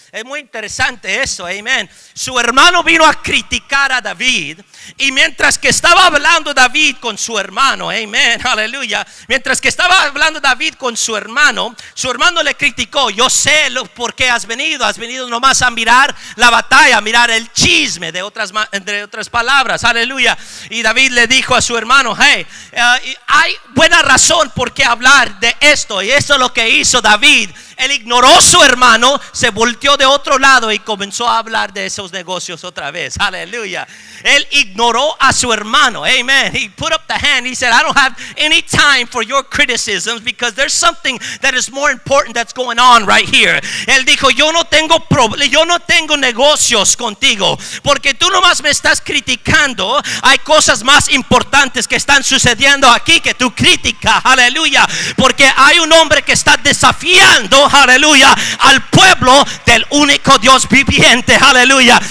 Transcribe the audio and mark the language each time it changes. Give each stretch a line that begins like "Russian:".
Spanish: Es muy interesante eso, amén. Su hermano vino a criticar a David, y mientras que estaba hablando David con su hermano, amén, aleluya, mientras que estaba hablando David con su hermano le criticó: yo sé por qué has venido nomás a mirar la batalla, a mirar el chisme, de otras, entre otras palabras, aleluya. Y David le dijo a su hermano: hey, hay buena razón por qué hablar de esto. Y eso es lo que hizo David. Él ignoró a su hermano, se volteó de otro lado y comenzó a hablar de esos negocios otra vez. Aleluya. Él ignoró a su hermano. Amen.
English: He put up the hand. He said, I don't have any time for your criticisms because there's something that is more important that's going on right here.
Spanish: Él dijo, yo no tengo negocios contigo porque tú nomás me estás criticando. Hay cosas más importantes que están sucediendo aquí que tu crítica. Aleluya. Porque hay un hombre que está desafiando, aleluya, al pueblo del único Dios viviente, aleluya.